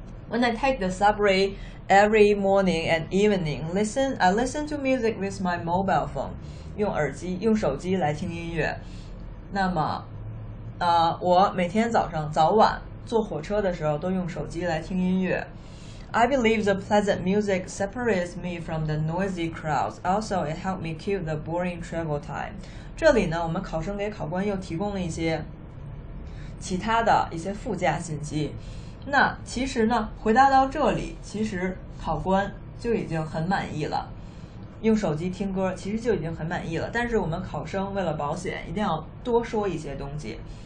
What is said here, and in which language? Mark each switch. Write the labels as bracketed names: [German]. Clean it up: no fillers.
[English] When I take the subway every morning and evening, I listen to music with my mobile phone. [Chinese] 用耳机，用手机来听音乐。那么，我每天早上早晚坐火车的时候都用手机来听音乐。 [English] I believe the pleasant music separates me from the noisy crowds. Also, it helped me keep the boring travel time. [Chinese] 这里呢，我们考生给考官又提供了一些其他的一些附加信息。那其实呢，回答到这里，其实考官就已经很满意了。用手机听歌其实就已经很满意了，但是我们考生为了保险一定要多说一些东西。